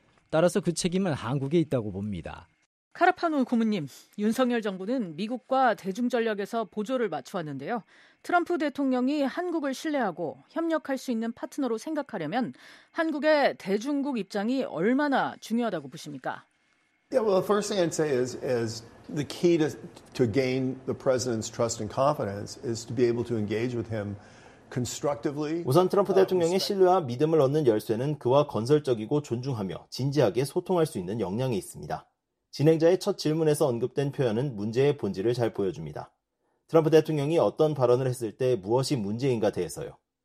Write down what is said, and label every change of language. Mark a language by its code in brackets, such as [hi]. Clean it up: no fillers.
[ko] 따라서 그 책임은 한국에 있다고 봅니다. 카라파노 고문님, 윤석열 정부는 미국과 대중전력에서 보조를 맞추었는데요. 트럼프 대통령이 한국을 신뢰하고 협력할 수 있는 파트너로 생각하려면 한국의 대중국 입장이 얼마나 중요하다고 보십니까? [en] Yeah, well, the first thing I'd say is the key to gain the president's trust and confidence is to be able to engage with him. [ko] 우선 트럼프 대통령의 신뢰와 믿음을 얻는 열쇠는 그와 건설적이고 존중하며 진지하게 소통할 수 있는 역량이 있습니다. 진행자의 첫 질문에서 언급된 표현은 문제의 본질을 잘 보여줍니다. 트럼프 대통령이 어떤 발언을 했을 때 무엇이 문제인가 대해서요.